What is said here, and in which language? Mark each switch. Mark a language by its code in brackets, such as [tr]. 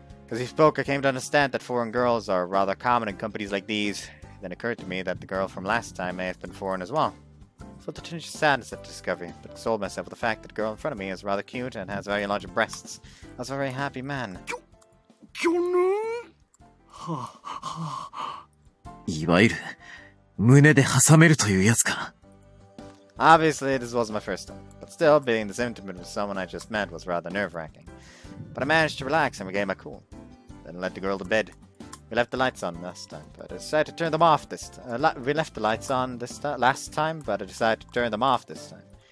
[en] As he spoke, I came to understand that foreign girls are rather common in companies like these. It then occurred to me that the girl from last time may have been foreign as well. I felt a tinge of sadness at the discovery, but consoled myself with the fact that the girl in front of me is rather cute and has very large breasts. I was a very happy man. ギョヌン？ [ja] いわゆる胸で挟めるというやつか。 [en] Obviously, this was my first time, but still, being this intimate with someone I just met was rather nerve-wracking. But I managed to relax and regain my cool. Then led the girl to bed. We left the lights on last time, but I decided to turn them off this time.